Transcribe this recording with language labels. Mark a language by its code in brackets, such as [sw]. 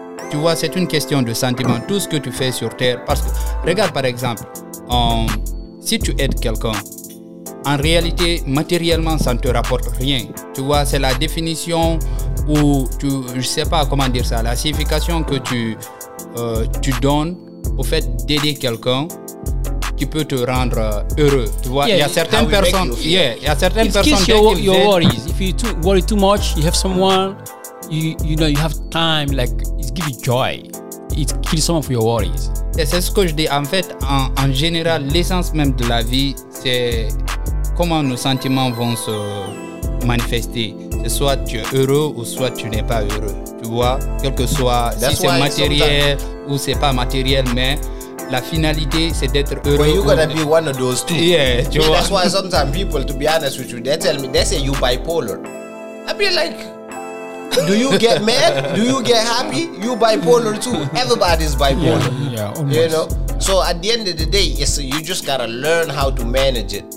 [fr] Tu vois, c'est une question de sentiment. Tout ce que tu fais sur Terre, parce que regarde par exemple, si tu aides quelqu'un, en réalité, matériellement, ça ne te rapporte rien. Tu vois, c'est la définition ou je sais pas comment dire ça, la signification que tu donnes au fait d'aider quelqu'un, qui peut te rendre heureux. Tu vois, il y a certaines personnes, [en] worries. If you worry too much, you have someone. You know, you have time, like, it gives you joy. It kills some of your worries. [fr] Et c'est ce que je dis. En fait, en général, l'essence même de la vie, c'est comment nos sentiments vont se manifester. C'est soit tu es heureux ou soit tu n'es pas heureux. Tu vois, quel que soit, [en] that's [fr] si c'est matériel ou c'est pas matériel, mais la finalité, c'est d'être heureux. [en] Well, you gotta be one of those two. [fr] Yeah, tu vois. [en] That's why sometimes people, to be honest with you, they tell me, they say you bipolar. I be like... Do you get mad? Do you get happy? You bipolar too. Everybody's bipolar. Yeah, you know. So at the end of the day, it's you just gotta learn how to manage it.